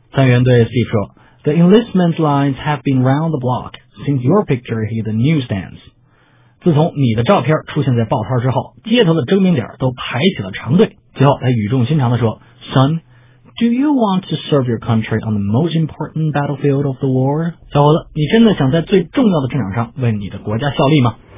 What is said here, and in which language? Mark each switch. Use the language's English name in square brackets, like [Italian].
[Chinese] 参议员对 Steve 说， [English] The enlistment lines have been round the block since your picture hit the newsstands。 [Chinese] 自从你的照片出现在报摊之后，街头的征兵点都排起了长队。最后他语重心长地说， [English] Son, do you want to serve your country on the most important battlefield of the war? [Chinese] 小伙子，你真的想在最重要的战场上为你的国家效力吗？